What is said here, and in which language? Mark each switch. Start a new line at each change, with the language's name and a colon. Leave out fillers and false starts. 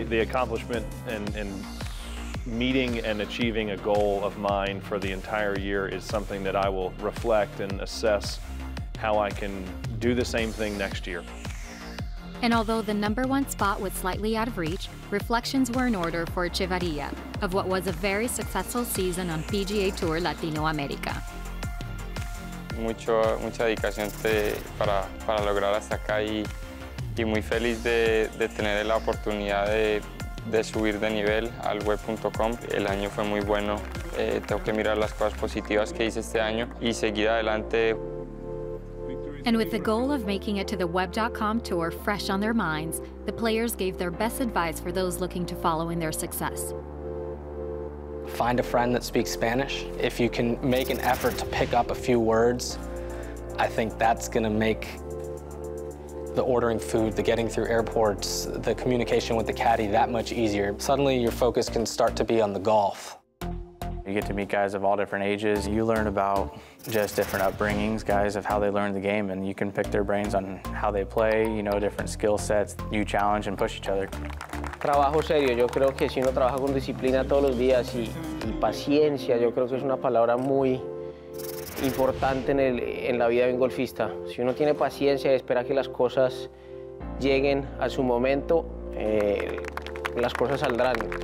English: The accomplishment and meeting and achieving a goal of mine for the entire year is something that I will reflect and assess how I can do the same thing next year. And although the number one spot was slightly out of reach, reflections were in order for Echevarria of what was a very successful season on PGA Tour Latinoamérica.
Spanish: Mucha dedicación para lograr hasta acá y muy feliz de tener la oportunidad de subir de nivel al web.com. El año fue muy bueno. Tengo que mirar las cosas positivas que hice este año y seguir adelante.
English: And with the goal of making it to the web.com tour fresh on their minds, the players gave their best advice for those looking to follow in their success. Find a friend that speaks Spanish. If you can make an effort to pick up a few words, I think that's going to make the ordering food, the getting through airports, the communication with the caddy that much easier. Suddenly your focus can start to be on the golf. You get to meet guys of all different ages. You learn about just different upbringings, guys, of how they learn the game, and you can pick their brains on how they play, you know, different skill sets. You challenge and push each other.
Spanish: Trabajo serio. Yo creo que si uno trabaja con disciplina todos los días y paciencia, yo creo que es una palabra muy importante en la vida de un golfista. Si uno tiene paciencia y espera que las cosas lleguen a su momento, las cosas saldrán.